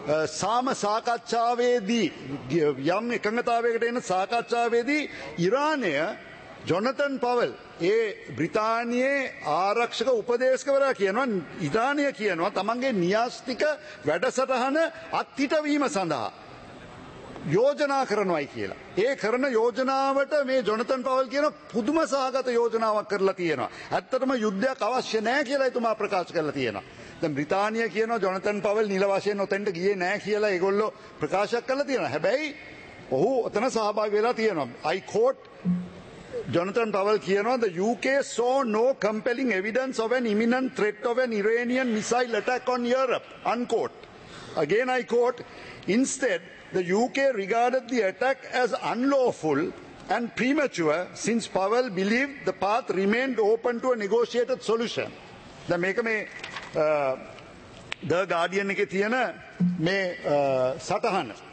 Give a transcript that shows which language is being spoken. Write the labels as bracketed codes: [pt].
[si] සාම සාකච්ඡාවේදී, යම් එකඟතාවයකට එන සාකච්ඡාවේදී ඉරානය ජොනතන් පවල් ඒ බ්‍රිතාන්‍යයේ ආරක්ෂක උපදේශකවරයා කියනවා, ඉරානය කියනවා තමන්ගේ න්‍යාස්තික වැඩසටහන අත්හිටවීම සඳහා යෝජනා කරනවායි කියලා. ඒ කරන යෝජනාවට මේ ජොනතන් පවල් කියන පුදුම සහගත යෝජනාවක් කරලා තියෙනවා. ඇත්තටම යුද්ධයක් අවශ්‍ය නැහැ කියලා එතුමා ප්‍රකාශ කරලා තියෙනවා. දැන් බ්‍රිතාන්‍ය කියනවා ජොනතන් පවල් නිල වශයෙන් ඔතෙන්ට ගියේ නැහැ කියලා ඒගොල්ලෝ ප්‍රකාශ කරලා තියෙනවා. හැබැයි ඔහු ඔතන සහභාගී වෙලා තියෙනවා. [en] I quote [si] ජොනතන් පවල් කියනවා, [en] "The UK saw no compelling evidence of an imminent threat of an Iranian missile attack on Europe." Unquote. Again I quote, "Instead, the UK regarded the attack as unlawful and premature since Powell believed the path remained open to a negotiated solution." [si] දැන් මේක මේ ද guardian එකේ තියෙන මේ සටහන.